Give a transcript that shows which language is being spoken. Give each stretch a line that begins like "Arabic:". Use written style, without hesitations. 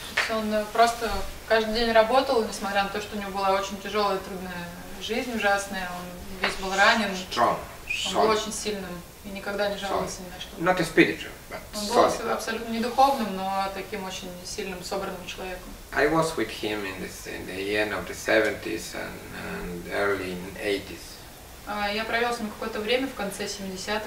Russian: Он просто каждый день работал, несмотря на то, что у него была очень тяжелая, трудная жизнь, ужасная. Он весь был ранен.
English: Strong.
Russian: Он был очень сильным и никогда не жаловался ни на что.
English: Not a spiritual, but solid.
Russian: Он был абсолютно не духовным, но таким очень сильным, собранным человеком.
English: I was with him in the end of the 70s and early 80s.
Russian: Я провел с ним какое-то время в конце 70-х,